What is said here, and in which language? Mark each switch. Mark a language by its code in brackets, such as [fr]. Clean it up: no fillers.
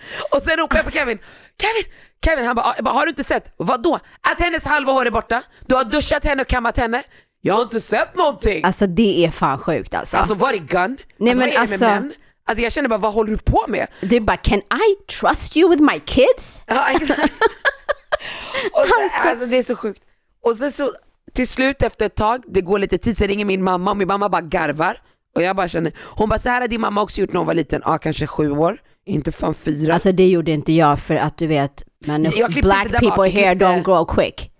[sv] Och sen ropar jag på Kevin, han bara, har du inte sett? Vadå? Att hennes halva hår är borta. Du har duschat henne och kammat henne. Jag har inte sett någonting. Alltså det är fan sjukt alltså. Alltså var det gun? Nej, men alltså, vad är det med män? Alltså jag känner bara, vad håller du på med? Du bara, [en] can I trust you with my kids? [sv] Ja, exakt. Och sen, alltså det är så sjukt. Och sen så till slut efter ett tag, det går lite tid, så ringer min mamma och min mamma bara garvar. Och jag bara känner, hon bara, så här har din mamma också gjort när hon var liten. Ja, kanske 7 år. Inte fan 4. Alltså det gjorde inte jag, för att du vet, men [en] black people bak, hair don't grow quick.